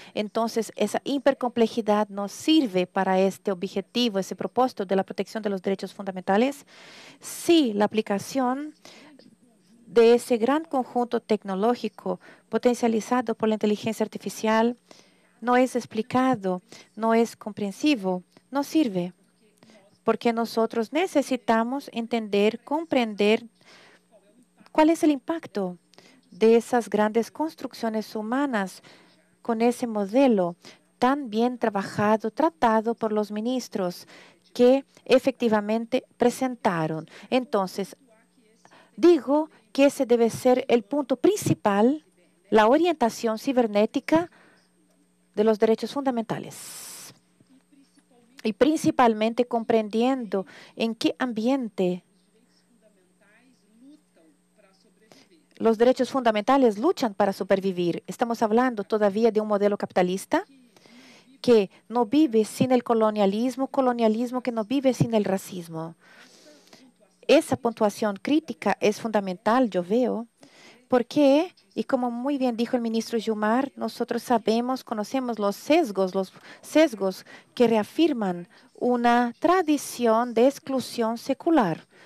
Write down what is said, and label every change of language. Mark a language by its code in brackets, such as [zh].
[pt] Então, essa hipercomplexidade nos serve para este objetivo, esse propósito da proteção dos direitos fundamentais, se a aplicação de [es] ese gran conjunto tecnológico potencializado por la inteligencia artificial no es explicado, no es comprensivo, no sirve. Porque nosotros necesitamos entender, comprender cuál es el impacto de esas grandes construcciones humanas con ese modelo tan bien trabajado, tratado por los ministros que efectivamente presentaron. Entonces, digo que ese debe ser el punto principal, la orientación cibernética de los derechos fundamentales. Y principalmente comprendiendo en qué ambiente los derechos fundamentales luchan para supervivir. Estamos hablando todavía de un modelo capitalista que no vive sin el colonialismo, colonialismo que no vive sin el racismo. [pt] Essa pontuação crítica é fundamental, eu vejo, porque, e como muito bem disse o ministro Gilmar, nós sabemos, conhecemos os sesgos que reafirmam uma tradição de exclusão secular.